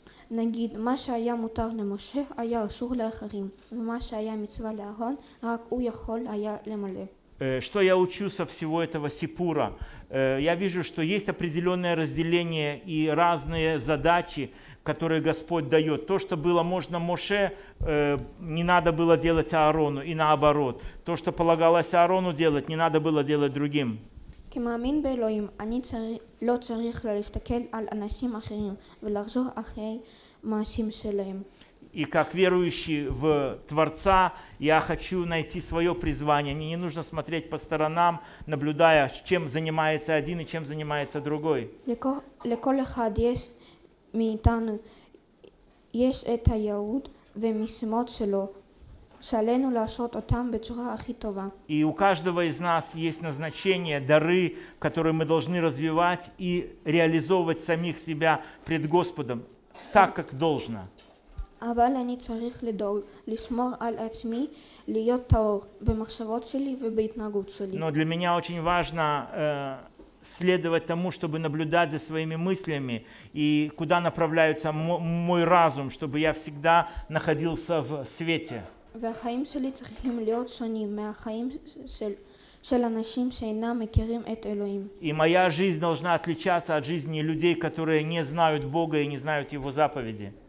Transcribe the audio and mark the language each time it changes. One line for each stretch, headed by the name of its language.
Hebrew: נגיד, מה שהיה מותר למשה היה אסור לאחרים, ומה שהיה מצווה לאהרון, רק הוא יכול היה למלא.
Russian: Что я учу со всего этого сипура? Я вижу, что есть определенное разделение и разные задачи, которые Господь дает. То, что было можно Моше, не надо было делать Аарону, и наоборот. То, что полагалось Аарону делать, не надо было делать другим.
Hebrew: כמאמין באלוהים, אני לא צריך להסתכל על אנשים אחרים ולחזור אחרי מעשים שלהם.
Russian: И как верующий в Творца, я хочу найти свое призвание. Мне не нужно смотреть по сторонам, наблюдая, чем занимается один и чем занимается другой.
Hebrew: לכל אחד יש מאיתנו, יש את הייעוד ומשימות שלו. שעלינו לעשות אותם בצורה הכי טובה.
Russian: И у каждого из нас есть назначение, дары, которые мы должны развивать и реализовывать самих себя пред Господом, так как должно.
Hebrew: אבל אני צריך לדאוג, לשמור על עצמי, להיות טהור במחשבות שלי ובהתנהגות שלי.
Russian: Но для меня очень важно следовать тому, чтобы наблюдать за своими мыслями и куда направляется мой разум, чтобы я всегда находился в свете.
Hebrew: והחיים שלי צריכים להיות שונים מהחיים של אנשים שאינם מכירים את אלוהים.
Russian: И моя жизнь должна отличаться от жизни людей, которые не знают Бога и не знают Его заповеди.